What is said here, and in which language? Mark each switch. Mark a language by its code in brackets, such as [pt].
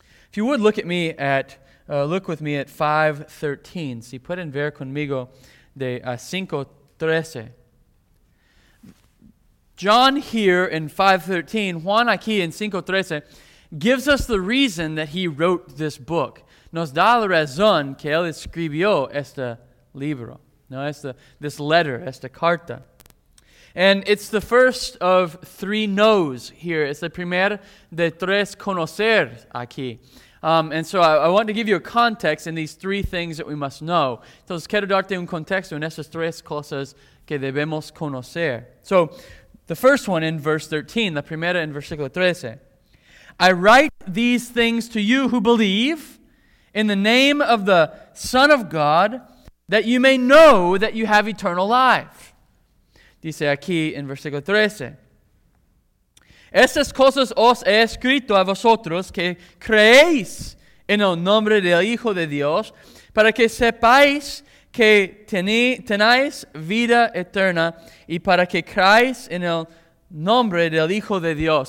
[en] If you would look with me at 5:13. [es] Si pueden ver conmigo de 5:13. [en] John here in 5:13. [es] Juan aquí en 5:13. [en] Gives us the reason that he wrote this book. [es] Nos da la razón que él escribió este libro. [en] No, this letter, [es] esta carta. [en] And it's the first of three no's here. [es] Es el primer de tres conocer aquí. [en] And so I want to give you a context in these three things that we must know. [es] Entonces quiero darte un contexto en estas tres cosas que debemos conocer. [en] So the first one in verse 13, [es] la primera en versículo 13. [en] I write these things to you who believe in the name of the Son of God, that you may know that you have eternal life. [es] Dice aquí en versículo 13. Estas cosas os he escrito a vosotros que creéis en el nombre del Hijo de Dios, para que sepáis que tenéis vida eterna y para que creáis en el nombre del Hijo de Dios.